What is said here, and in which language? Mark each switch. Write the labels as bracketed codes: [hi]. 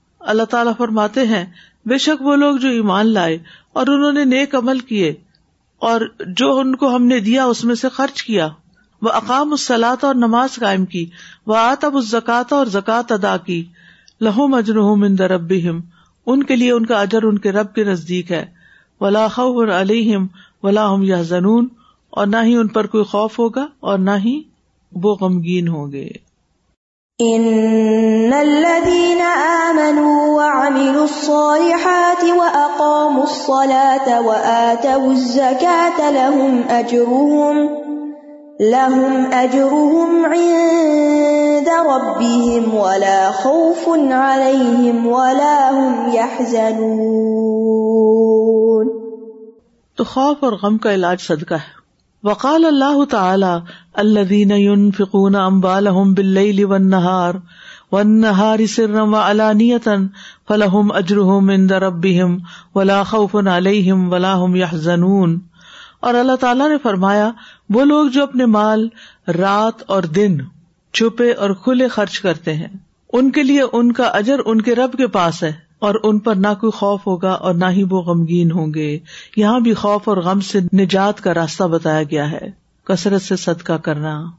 [ur] اللہ تعالیٰ فرماتے ہیں بے شک وہ لوگ جو ایمان لائے اور انہوں نے نیک عمل کیے اور جو ان کو ہم نے دیا اس میں سے خرچ کیا، وہ [ar] اقام الصلاۃ [ur] اور نماز قائم کی، وہ [ar] آتب الزکاۃ [ur] اور زکوٰۃ ادا کی، [ar] لہم اجرہم عند ربہم، [ur] ان کے لیے ان کا اجر ان کے رب کے نزدیک ہے، [ar] ولا خوف علیہم ولا هم یحزنون، [ur] اور نہ ہی ان پر کوئی خوف ہوگا اور نہ ہی وہ غمگین ہوں گے. [ar] ان الذين آمنوا وعملوا الصالحات وأقاموا الصلاة وآتوا الزكاة لهم أجرهم عند ربهم ولا خوف عليهم ولا هم يحزنون. [ur] تو خوف اور غم کا علاج صدقہ ہے. [ar] وقال الله تعالى الذين ينفقون اموالهم بالليل والنهار والنهار سرا وعلانية فلهم اجرهم عند ربهم ولا خوف عليهم ولا هم يحزنون. [ur] اور اللہ تعالیٰ نے فرمایا وہ لوگ جو اپنے مال رات اور دن چھپے اور کھلے خرچ کرتے ہیں، ان کے لیے ان کا اجر ان کے رب کے پاس ہے، اور ان پر نہ کوئی خوف ہوگا اور نہ ہی وہ غمگین ہوں گے. یہاں بھی خوف اور غم سے نجات کا راستہ بتایا گیا ہے، کثرت سے صدقہ کرنا.